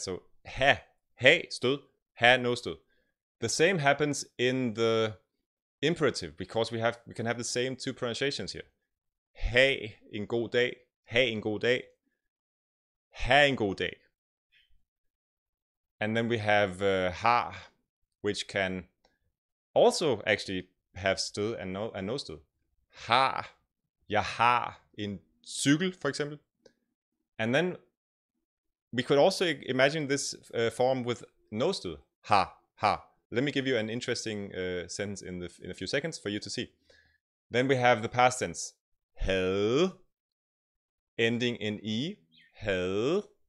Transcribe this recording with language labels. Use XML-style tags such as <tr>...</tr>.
<en>So, ha, hey, stød, ha, no stød. The same happens in the imperative because we can have the same two pronunciations here.</en> <da>Hey, en god dag.</da> <en>Hey, en god dag. have en god dag. And then we have har, which can also actually have stød and no stød. Har,</en> <da>jeg har en cykel,</da> <en>for example. And then we could also imagine this form with no stød. Har, har. Let me give you an interesting sentence in a few seconds for you to see. Then we have the past tense. Havde, ending in e, havde.</en>